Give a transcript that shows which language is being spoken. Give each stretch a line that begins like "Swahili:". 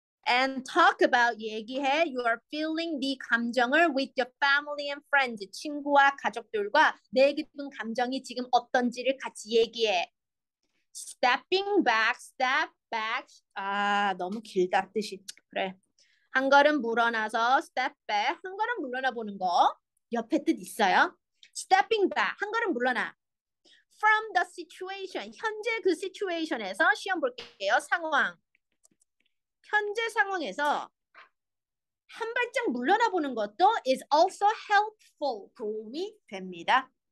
English: And talk about
Korean: 얘기해.
English: You are feeling
Korean: 네 감정을
English: with your family and friends.
Korean: 친구와 가족들과 내 깊은 감정이 지금 어떤지를 같이 얘기해.
English: Stepping back, step back.
Korean: 아, 너무 길다 뜻이. 그래. 한 걸음 물러나서
English: step back.
Korean: 한 걸음 물러나 보는 거. 옆에 뜻 있어요?
English: Stepping back.
Korean: 한 걸음 물러나.
English: From the situation.
Korean: 현재 그 situation에서 시험 볼게요. 상황. 현재 상황에서 한 발짝 물러나 보는 것도
English: is also helpful,
Korean: 도움이 됩니다.